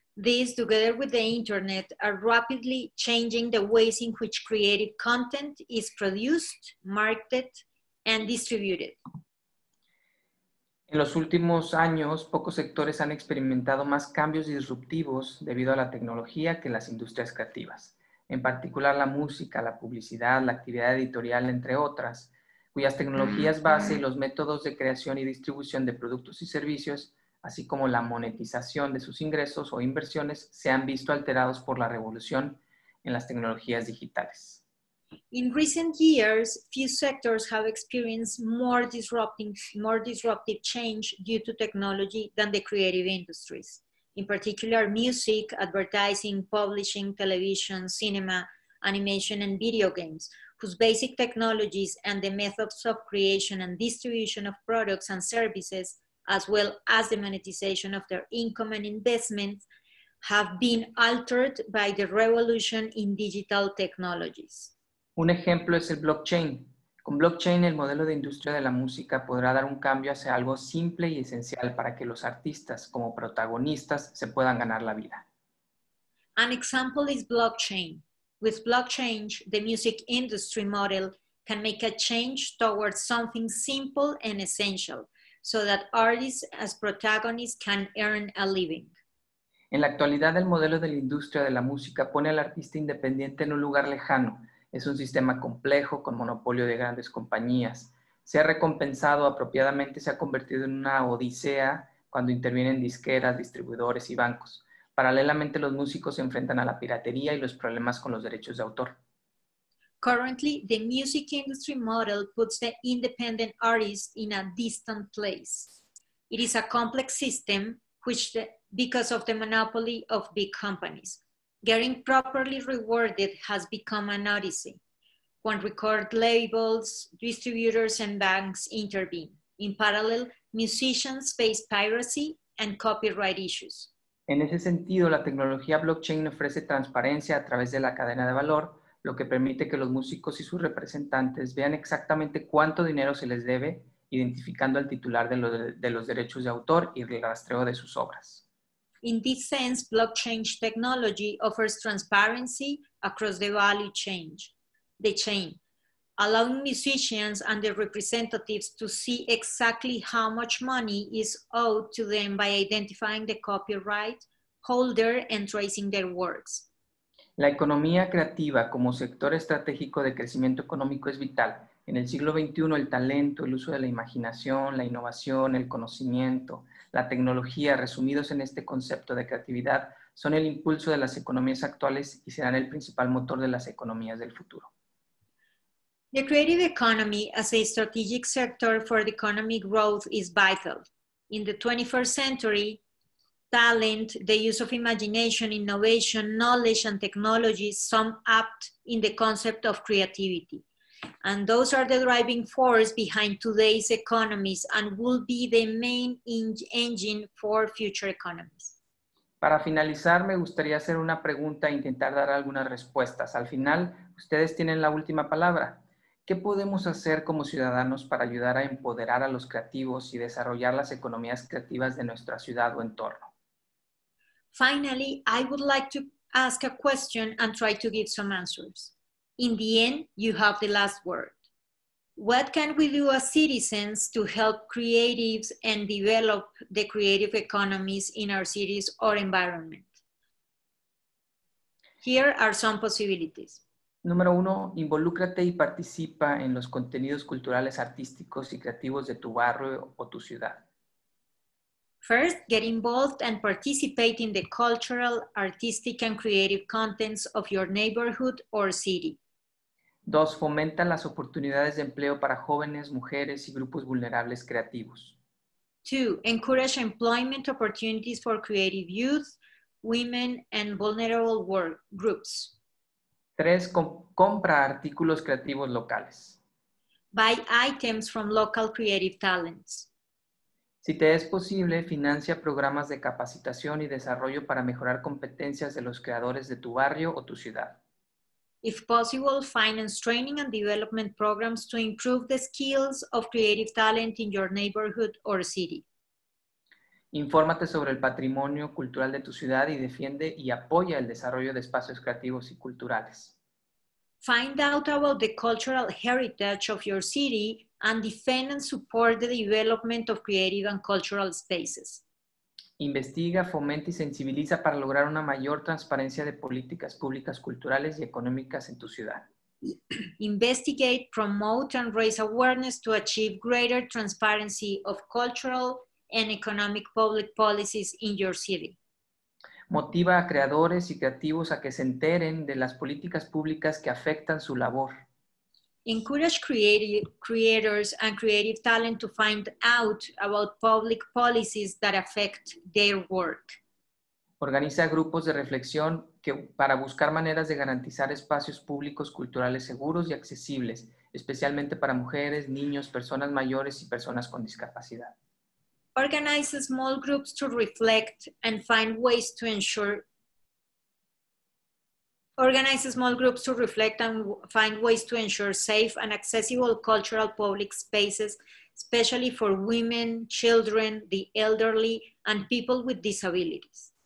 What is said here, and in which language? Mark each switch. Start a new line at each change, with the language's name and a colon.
English: These, together with the Internet, are rapidly changing the ways in which creative content is produced, marketed, and distributed.
Spanish: En los últimos años, pocos sectores han experimentado más cambios disruptivos debido a la tecnología que las industrias creativas, en particular la música, la publicidad, la actividad editorial, entre otras, cuyas tecnologías base y los métodos de creación y distribución de productos y servicios, así como la monetización de sus ingresos o inversiones, se han visto alterados por la revolución en las tecnologías digitales.
English: In recent years, few sectors have experienced more disruptive change due to technology than the creative industries. In particular, music, advertising, publishing, television, cinema, animation, and video games, whose basic technologies and the methods of creation and distribution of products and services, as well as the monetization of their income and investments, have been altered by the revolution in digital technologies.
Spanish: Un ejemplo es el blockchain, Con blockchain, el modelo de industria de la música podrá dar un cambio hacia algo simple y esencial para que los artistas, como protagonistas, se puedan ganar la vida.
English: An example is blockchain. With blockchain, the music industry model can make a change towards something simple and essential, so that artists as protagonists can earn a living.
Spanish: En la actualidad, el modelo de la industria de la música pone al artista independiente en un lugar lejano. Es un sistema complejo con monopolio de grandes compañías. Se ha recompensado apropiadamente, se ha convertido en una odisea cuando intervienen disqueras, distribuidores y bancos. Paralelamente, los músicos se enfrentan a la piratería y los problemas con los derechos de autor.
English: Currently, the music industry model puts the independent artist in a distant place. It is a complex system because of the monopoly of big companies. Getting properly rewarded has become an odyssey. When record labels, distributors, and banks intervene. In parallel, musicians face piracy and copyright issues.
Spanish: En ese sentido, la tecnología blockchain ofrece transparencia a través de la cadena de valor, lo que permite que los músicos y sus representantes vean exactamente cuánto dinero se les debe, identificando al titular de los derechos de autor y el rastreo de sus obras.
English: In this sense, blockchain technology offers transparency across the value chain, allowing musicians and their representatives to see exactly how much money is owed to them by identifying the copyright holder and tracing their works.
Spanish: La economía creativa como sector estratégico de crecimiento económico es vital. En el siglo XXI, el talento, el uso de la imaginación, la innovación, el conocimiento, la tecnología, resumidos en este concepto de creatividad, son el impulso de las economías actuales y serán el principal motor de las economías del futuro.
English: The creative economy as a strategic sector for the economic growth is vital. In the 21st century, talent, the use of imagination, innovation, knowledge, and technology sum up in the concept of creativity. And those are the driving force behind today's economies and will be the main engine for future economies.
Spanish: Para finalizar, me gustaría hacer una pregunta e intentar dar algunas respuestas. Al final, ustedes tienen la última palabra. ¿Qué podemos hacer como ciudadanos para ayudar a empoderar a los creativos y desarrollar las economías creativas de nuestra ciudad o entorno?
English: Finally, I would like to ask a question and try to give some answers. In the end, you have the last word. What can we do as citizens to help creatives and develop the creative economies in our cities or environment? Here are some possibilities.
Spanish: Número uno, involúcrate y participa en los contenidos culturales, artísticos y creativos de tu barrio o tu ciudad.
English: First, get involved and participate in the cultural, artistic and creative contents of your neighborhood or city.
Spanish: Dos, fomenta las oportunidades de empleo para jóvenes, mujeres y grupos vulnerables creativos.
English: Two, encourage employment opportunities for creative youth, women and vulnerable work groups.
Spanish: Tres, compra artículos creativos locales.
English: Buy items from local creative talents.
Spanish: Si te es posible, financia programas de capacitación y desarrollo para mejorar competencias de los creadores de tu barrio o tu ciudad.
English: If possible, finance training and development programs to improve the skills of creative talent in your neighborhood or city.
Spanish: Infórmate sobre el patrimonio cultural de tu ciudad y defiende y apoya el desarrollo de espacios creativos y culturales.
English: Find out about the cultural heritage of your city and defend and support the development of creative and cultural spaces.
Spanish: Investiga, fomenta y sensibiliza para lograr una mayor transparencia de políticas públicas, culturales y económicas en tu ciudad.
English: Investigate, promote and raise awareness to achieve greater transparency of cultural and economic public policies in your city.
Spanish: Motiva a creadores y creativos a que se enteren de las políticas públicas que afectan su labor.
English: Encourage creators and creative talent to find out about public policies that affect their work.
Spanish: Organiza grupos de reflexión para buscar maneras de garantizar espacios públicos culturales seguros y accesibles, especialmente para mujeres, niños, personas mayores y personas con discapacidad.
English: Organize small groups to reflect and find ways to ensure organize small groups to reflect and find ways to ensure safe and accessible cultural public spaces, especially for women, children, the elderly, and people with disabilities.